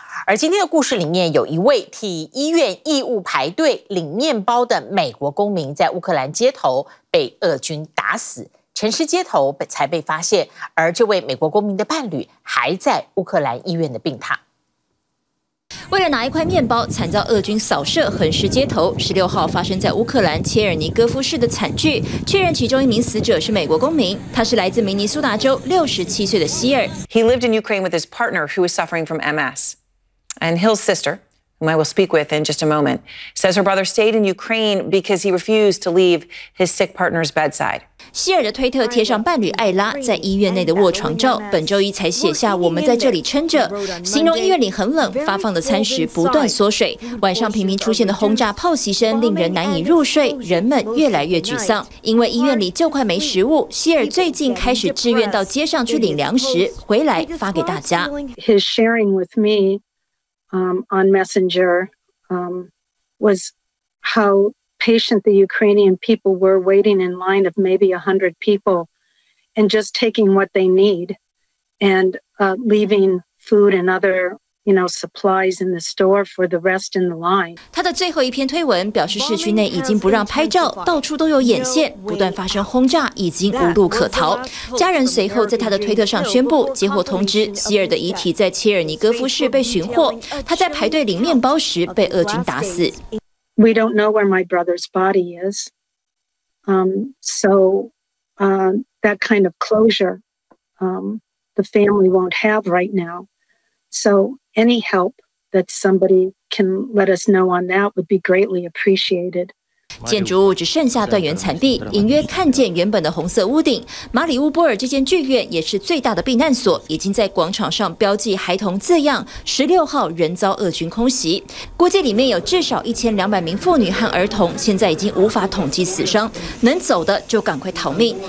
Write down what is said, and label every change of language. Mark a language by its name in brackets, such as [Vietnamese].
[Chinese] 而今天的故事里面，有一位替医院义务排队领面包的美国公民，在乌克兰街头被俄军打死，城市街头才被发现，而这位美国公民的伴侣还在乌克兰医院的病榻。为了拿一块面包，惨遭俄军扫射，横尸街头。 16号发生在乌克兰切尔尼戈夫市的惨剧，确认其中一名死者是美国公民，他是来自明尼苏达州67岁的希尔。 [English] He lived in Ukraine with his partner, who was suffering from MS, and Hill's sister, whom I will speak with in just a moment, says her brother stayed in Ukraine because he refused to leave his sick partner's bedside. [Chinese] 希尔的推特贴上伴侣艾拉在医院内的卧床照，本周一才写下我们在这里撑着，形容医院里很冷，发放的餐食不断缩水，晚上频频出现的轰炸炮击声令人难以入睡，人们越来越沮丧，因为医院里就快没食物。希尔最近开始自愿到街上去领粮食，回来发给大家。 [English] His sharing with me on Messenger was howpatient the Ukrainian people were waiting in line of maybe 100 people and just taking what they need and leaving food and other, you know, supplies in the store for the rest in the line. [Chinese] 他的最后一篇推文表示，市区内已经不让拍照，到处都有眼线，不断发生轰炸，已经无路可逃。家人随后在他的推特上宣布，接获通知，希尔的遗体在切尔尼戈夫市被寻获，他在排队领面包时被俄军打死。 [English] We don't know where my brother's body is. That kind of closure, the family won't have right now. So any help that somebody can let us know on that would be greatly appreciated. [Chinese] 建筑物只剩下断垣残壁，隐约看见原本的红色屋顶。马里乌波尔这间剧院也是最大的避难所，已经在广场上标记孩童字样，16号仍遭俄军空袭。估计里面有至少1200名妇女和儿童，现在已经无法统计死伤，能走的就赶快逃命。